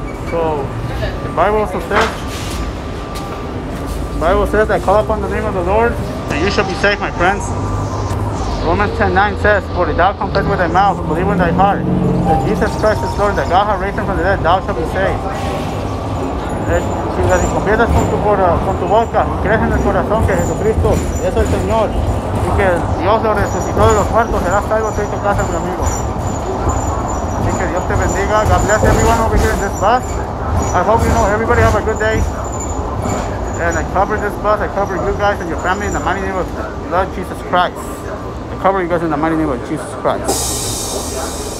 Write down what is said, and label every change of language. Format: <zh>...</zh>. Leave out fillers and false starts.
<en>So, the Bible says that call upon the name of the Lord, and you shall be saved, my friends. Romans 10:9 says, for if thou confess with thy mouth and believe in thy heart that Jesus Christ is Lord, that God has raised him from the dead, thou shalt be saved.</en> <es>Si las confiesas con tu boca, y crees en el corazón que Jesucristo es el Señor, y que Dios lo resucitó de los muertos, serás salvo de tu casa, mi amigo. Dios te bendiga.</es> <en>God bless everyone over here in this bus. I hope you know everybody have a good day. And I cover this bus. I cover you guys and your family in the mighty name of the Lord Jesus Christ. I cover you guys in the mighty name of Jesus Christ.</en>